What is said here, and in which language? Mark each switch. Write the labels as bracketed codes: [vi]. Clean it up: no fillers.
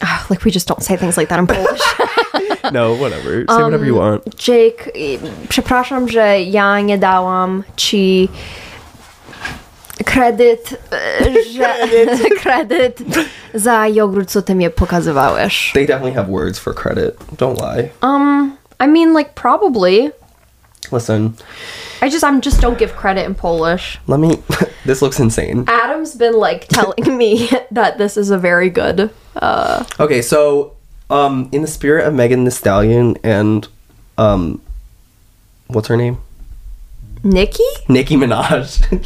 [en] Like, we just don't say things like that in Polish. No, whatever. Say whatever you want. [pl] Jake, przepraszam, że ja nie dałam ci kredyt, że kredyt za jogurt, co ty mnie pokazywałeś. [en] They definitely have words for credit. Don't lie. I mean, like, probably... Listen, I just don't give credit in Polish. Let me, this looks insane. Adam's been like telling me that this is a very good, Okay, so, in the spirit of Megan Thee Stallion and, what's her name? Nicki Minaj.